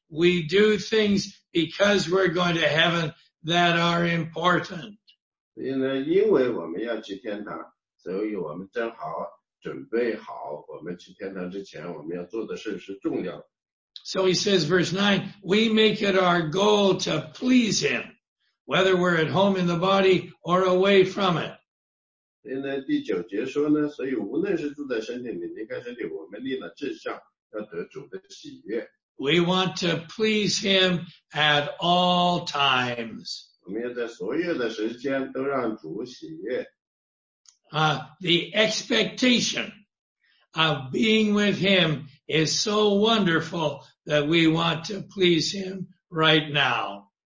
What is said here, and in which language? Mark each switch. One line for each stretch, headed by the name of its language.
English: We do things because we're going to heaven that are important.
Chinese: 所以呢，因为我们要去天堂，所以我们正好准备好我们去天堂之前我们要做的事是重要的。
English: So he says, verse 9, we make it our goal to please him, whether we're at home in the body or away from it.
Chinese: 所以呢，第九节说呢，所以无论是住在身体里，离开身体，我们立了志向要得主的喜悦。
English: We want to please him at all times.
Chinese: 我们要在所有的时间都让主喜悦。
English: The expectation of being with him is so wonderful that we want to please him right now.